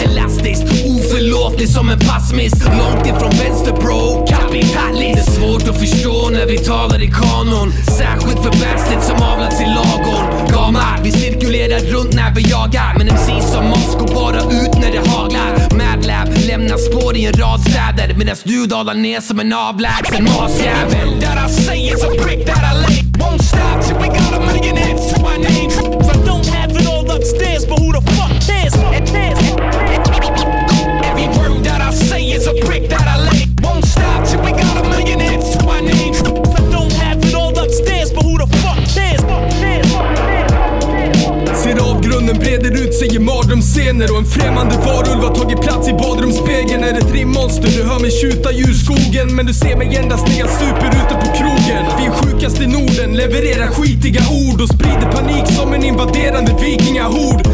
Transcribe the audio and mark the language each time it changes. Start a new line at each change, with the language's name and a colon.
Swedish: Elastiskt, oförlåtligt som en passmiss. Långt ifrån vänster bro, kapitalist. Det är svårt att förstå när vi talar i kanon. Särskilt för bastards som avlats i lagon. Gamar, vi cirkulerar runt när vi jagar. Men MC som oss går bara ut när det haglar. Madlab lämnar spår i en rad städer medan du dalar ner som en avlägsen masjävel.
English: That I say is a prick that I lay. Won't stop till we got a million hits to our names. I don't have it all upstairs, but who the fuck cares? Every word that I say is a brick that I lay. Won't stop till we got a million hits to our names. I don't have it all upstairs, but who the fuck cares?
Swedish: Ser avgrunden breder ut sig i mardrömsscener. Och en främmande varulv har tagit plats i badrumsspegeln. Är ett rimmonster, du hör mig tjuta ur skogen. Men du ser mig endast när jag super ute på krogen. Vi är sjukast i Norden, levererar skitiga ord och sprider panik som en invaderande vikingahord.